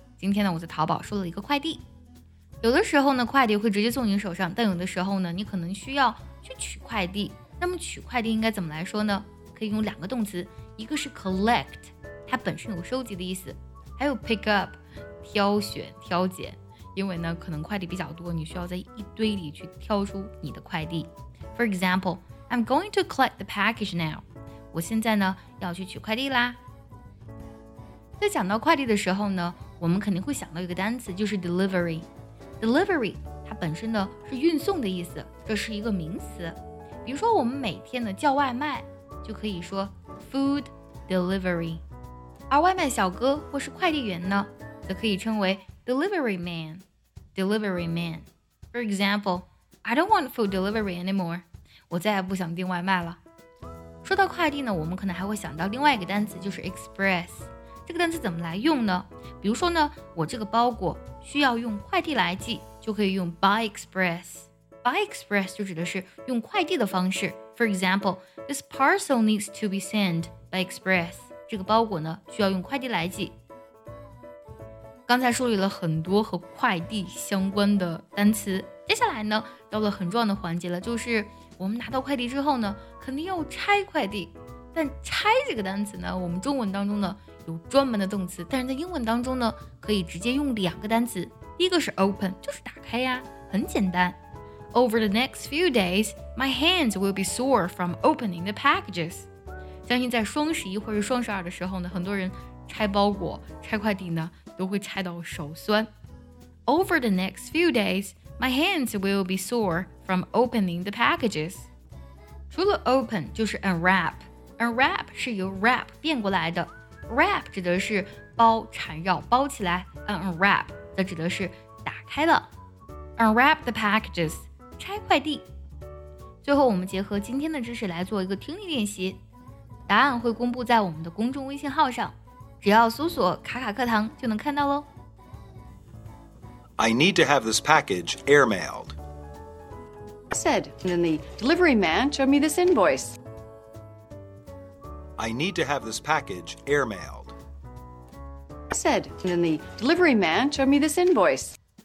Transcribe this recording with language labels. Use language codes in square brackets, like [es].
[zh] 今天呢我在淘宝收了一个快递。有的时候呢快递会直接送你手上，但有的时候呢你可能需要去取快递。那么取快递应该怎么来说呢？可以用两个动词，一个是 collect， 它本身有收集的意思，还有 pick up， 挑选挑拣。因为呢可能快递比较多，你需要在一堆里去挑出你的快递。 [en] For example, I'm going to collect the package now. [zh] 我现在呢要去取快递啦。在讲到快递的时候呢，我们肯定会想到一个单词，就是 delivery。 Delivery 它本身呢是运送的意思，这是一个名词。比如说我们每天呢叫外卖，就可以说 food delivery。而外卖小哥或是快递员呢，则可以称为Delivery man. [en] For example, I don't want food delivery anymore. [zh] 我再也不想订外卖了。说到快递呢，我们可能还会想到另外一个单词，就是 express。这个单词怎么来用呢？比如说呢，我这个包裹需要用快递来寄，就可以用 by express。 By express 就指的是用快递的方式。 [en] For example, this parcel needs to be sent by express. [zh] 这个包裹呢需要用快递来寄。刚才梳理了很多和快递相关的单词，接下来呢到了很重要的环节了，就是我们拿到快递之后呢肯定要拆快递。但拆这个单词呢，我们中文当中呢有专门的动词，但是在英文当中呢可以直接用两个单词，第一个是 open， 就是打开呀，很简单。 [en] Over the next few days, my hands will be sore from opening the packages. [zh] 相信在双十一或者双十二的时候呢，很多人拆包裹拆快递呢都会拆到手酸。 [en] Over the next few days, my hands will be sore from opening the packages. [zh] 除了 open 就是 unwrap， unwrap 是由 wrap 变过来的。 wrap 指的是包缠绕包起来， unwrap 则指的是打开了。 [en] unwrap the packages， [zh] 拆快递。最后我们结合今天的知识来做一个听力练习，答案会公布在我们的公众微信号上，只要搜索卡卡课堂就能看到咯。 [en] I need to have this package airmailed. I said, and then the delivery man showed me this invoice. I need to have this package airmailed. I said, and then the delivery man showed me this invoice.